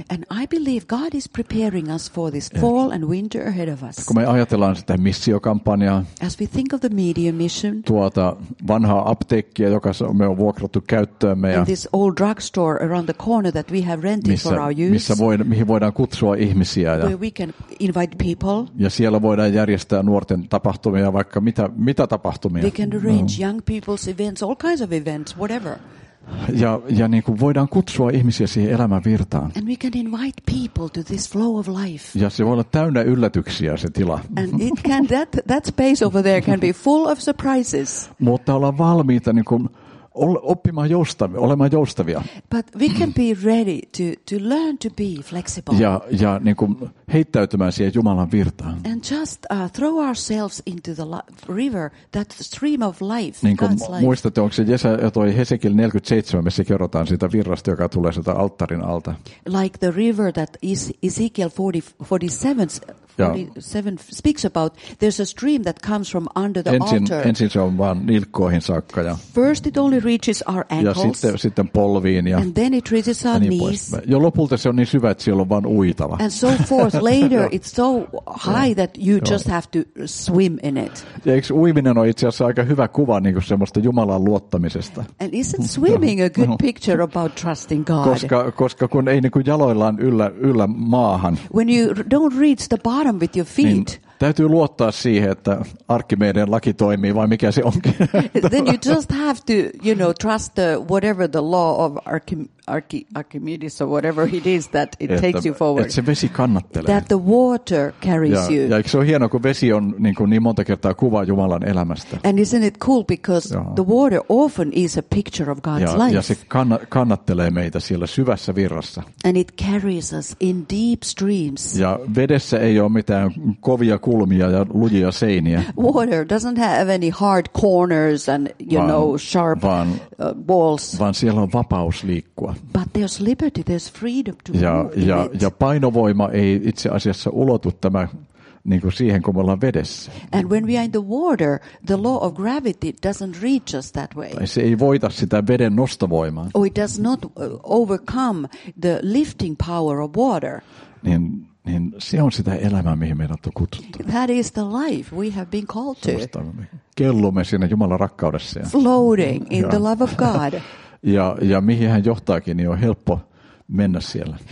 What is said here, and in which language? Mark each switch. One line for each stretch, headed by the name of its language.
English: And I believe God is preparing us for this fall and winter ahead of us.
Finnish: Kun me ajatellaan sitä missiokampanjaa.
English: As we think of the media mission.
Finnish: Tuota vanhaa apteekkiä, joka me on vuokrattu käyttöömme.
English: And this old drugstore around the corner that we have rented for our use.
Finnish: Mihin voidaan kutsua ihmisiä.
English: Where we can invite people.
Finnish: Ja siellä voidaan järjestää nuorten tapahtumia, vaikka mitä tapahtumia.
English: We can arrange young people's events, all kinds of events. Whatever.
Finnish: Ja niin kuin voidaan kutsua ihmisiä siihen elämän virtaan.
English: And we can invite people to this flow of life.
Finnish: Ja se voi olla täynnä yllätyksiä se tila.
English: And it can that space over there can be full of surprises.
Finnish: Mutta ollaan valmiita niin kuin oppimaan joustavia, olemaan joustavia.
English: But we can be ready to learn to be flexible.
Finnish: Ja niin kuin heittäytymään siihen Jumalan virtaan.
English: And just throw ourselves into the river, that stream of life.
Finnish: Niin kuin muistatte, onko se Jesaja toi Hesekiel 47, missä kerrotaan siitä virrasta, joka tulee sieltä alttarin alta.
English: Like the river that Ezekiel 47 speaks about, there's a stream that comes from under the altar.
Finnish: Ensin se on vaan nilkkoihin saakka. Ja,
English: first it only reaches our ankles.
Finnish: Ja sitten polviin. Ja,
English: and then it reaches our
Finnish: niin
English: knees.
Finnish: Jo lopulta se on niin syvä, että siellä on vaan uitava.
English: And so forth. Later it's so high that you just have to swim in it.
Finnish: Ja eikö uiminen ole itse asiassa aika hyvä kuva niin kuin semmoista Jumalan luottamisesta?
English: And isn't swimming a good picture about trusting God?
Finnish: Koska kun ei niin kuin jaloillaan yllä maahan.
English: When you don't reach the bottom. With your feet.
Finnish: Niin, täytyy luottaa siihen, että Arkimeeden laki toimii vai mikä se onkin.
English: Then you just have to, you know, trust whatever the law of Archimedes or whatever it is that it takes you forward.
Finnish: Että se vesi kannattelee.
English: That the water carries you.
Finnish: Ja eikö se on hieno, kun vesi on niin kuin niin monta kertaa kuva Jumalan elämästä.
English: And isn't it cool because the water often is a picture of God's life.
Finnish: Ja se kannattelee meitä siellä syvässä virrassa.
English: And it carries us in deep streams.
Finnish: Ja vedessä ei ole mitään kovia kulmia ja lujia seiniä.
English: Water doesn't have any hard corners and sharp walls.
Finnish: Vaan siellä on vapaus liikkua.
English: But there's liberty, there's freedom to
Finnish: ja painovoima ei itse asiassa ulotu tämä niin kuin siihen, kun me ollaan vedessä.
English: And when we are in the water, the law of gravity doesn't reach us that way.
Finnish: Tai se ei voita sitä veden nostovoimaa.
English: Or it does not overcome the lifting power of water.
Finnish: Niin se on sitä elämää, mihin meidät on kutsuttu.
English: That is the life we have been called to.
Finnish: Kellumme siinä Jumalan rakkaudessa.
English: Floating in the love of God.
Finnish: Ja mihin hän johtaakin, niin on helppo mennä siellä.